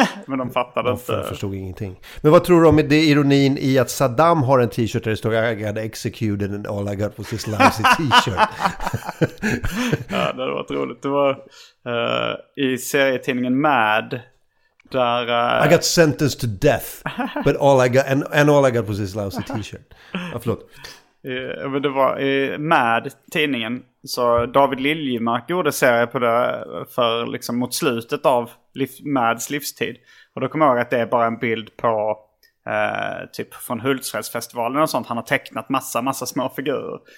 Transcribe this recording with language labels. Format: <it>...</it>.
<sv>Men de fattade inte. De förstod ingenting. Men vad tror du om det ironin i att Saddam har en t-shirt där det står</sv> <en>I got executed and all I got was this lousy t-shirt?</en> <sv>Ja, det var otroligt. Det var i serietidningen Mad. där.</sv> <en>I got sentenced to death, but all I got and all I got was this lousy t-shirt.</en> <sv>Ja, förlåt. Men det var med tidningen. Så David Liljemark gjorde serie på det för liksom mot slutet av Mads livstid. Och då kommer jag ihåg att det är bara en bild på typ från Hultsfredsfestivalen och sånt. Han har tecknat massa små figurer.</sv>